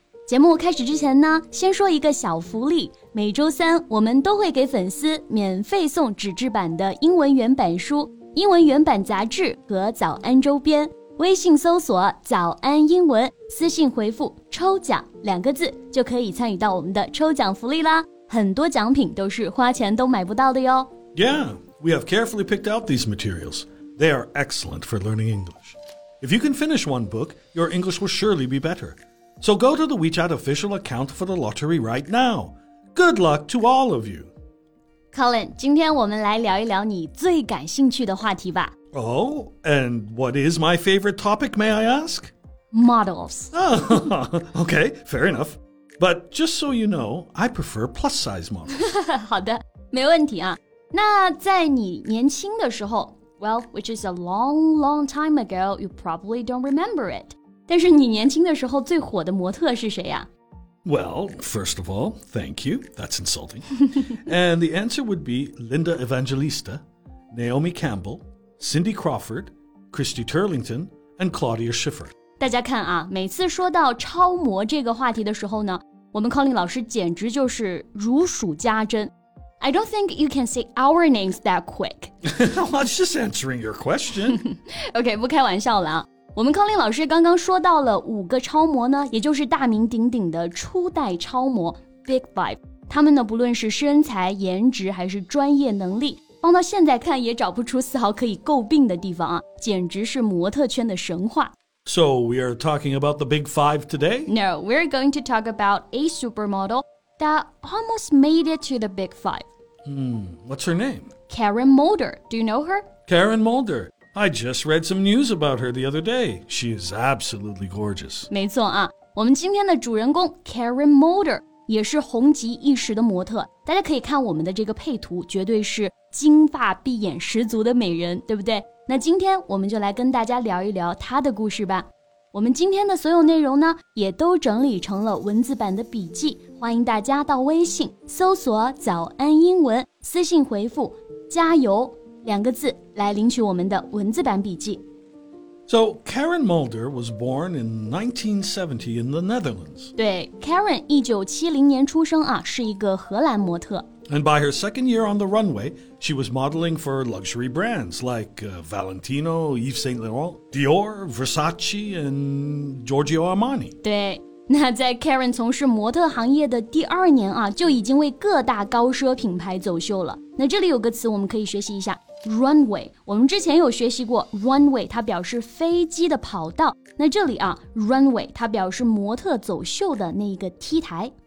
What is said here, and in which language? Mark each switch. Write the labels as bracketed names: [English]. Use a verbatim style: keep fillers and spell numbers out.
[Chinese] 节目开始之前呢，先说一个小福利。每周三我们都会给粉丝免费送纸质版的英文原版书、英文原版杂志和早安周边。微信搜索早安英文，私信回复抽奖两个字，就可以参与到我们的抽奖福利啦。很多奖品都是花钱都买不到的哟。 [English] Yeah, we have carefully picked out these materials. They are excellent for learning English. If you can finish one book, your English will surely be better. So go to the WeChat official account for the lottery right now. Good luck to all of you. [Chinese] Colin, 今天我们来聊一聊你最感兴趣的话题吧。 [English] Oh, and what is my favorite topic, may I ask? Models. Oh, okay, fair enough. But just so you know, I prefer plus-size models. [Chinese] 好的，没问题啊。那在你年轻的时候 [English] well, which is a long, long time ago, you probably don't remember it. [Chinese] 但是你年轻的时候最火的模特是谁呀？ [English] Well, first of all, thank you. That's insulting. And the answer would be Linda Evangelista, Naomi Campbell, Cindy Crawford, Christy Turlington, and Claudia Schiffer. [Chinese] 大家看啊，每次说到超模这个话题的时候呢，我们 Colin 老师简直就是如数家珍。 [English] I don't think you can say our names that quick. I was just answering your question. [Chinese] OK, 不开玩笑了啊。我们 Colin 老师刚刚说到了五个超模呢，也就是大名鼎鼎的初代超模 Big Five。他们呢，不论是身材、颜值还是专业能力，放到现在看也找不出丝毫可以诟病的地方啊，简直是模特圈的神话。 [English] So we are talking about the Big Five today? No, we're going to talk about a supermodel that almost made it to the Big Five. Hmm, what's her name? Karen Mulder. Do you know her? Karen Mulder. I just read some news about her the other day. She is absolutely gorgeous. [Chinese] 没错啊，我们今天的主人公 Karen Mulder 也是红极一时的模特。大家可以看我们的这个配图，绝对是金发碧眼十足的美人，对不对？那今天我们就来跟大家聊一聊她的故事吧。我们今天的所有内容呢，也都整理成了文字版的笔记，欢迎大家到微信搜索早安英文，私信回复加油两个字来领取我们的文字版笔记。 [English] So Karen Mulder was born in nineteen seventy in the Netherlands. [Chinese] 对 ,Karen 一九七零年出生啊，是一个荷兰模特。 [English] And by her second year on the runway, she was modeling for luxury brands like uh, Valentino, Yves Saint Laurent, Dior, Versace, and Giorgio Armani. [Chinese] 对，那在 Karen 从事模特行业的第二年啊，就已经为各大高奢品牌走秀了。那这里有个词我们可以学习一下 runway。我们之前有学习过 runway， 它表示飞机的跑道。那这里啊 runway 它表示模特走秀的那一个 T 台。